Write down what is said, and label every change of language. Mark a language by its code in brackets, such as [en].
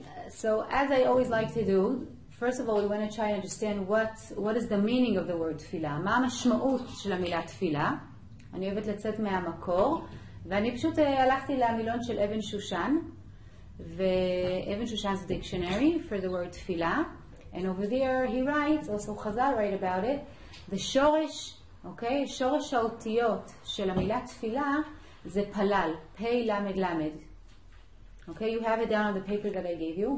[en] So as I always like to do, first of all, we want to try and understand what is the meaning of the word tefillah. [he] מה המשמעות של המילה תפילה? אני אוהבת לצאת מהמקור, ואני פשוט הלכתי למילון של אבן שושן, ואבן שושן [en] 's dictionary for the word [he] תפילה. [en] And over there he writes, also חזל write about it, the שורש, okay, [he] שורש האותיות של המילה תפילה זה פלל, פי למד למד. [en] Okay, you have it down on the paper that I gave you.